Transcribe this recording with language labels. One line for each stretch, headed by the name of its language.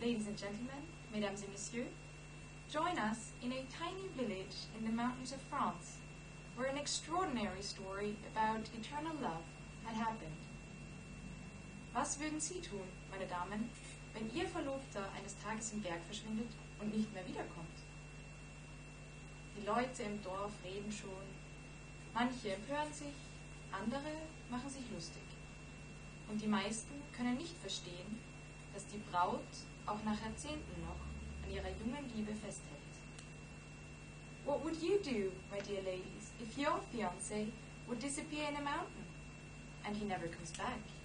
English: Ladies and gentlemen, mesdames et messieurs, join us in a tiny village in the mountains of France, where an extraordinary story about eternal love had happened.
German: Was würden Sie tun, meine Damen, wenn Ihr Verlobter eines Tages im Berg verschwindet und nicht mehr wiederkommt? Die Leute im Dorf reden schon, manche empören sich, andere machen sich lustig. Und die meisten können nicht verstehen, dass die Braut auch nach Jahrzehnten noch an ihrer jungen Liebe festhält.
English: What would you do, my dear ladies, if your fiancé would disappear in a mountain and he never comes back?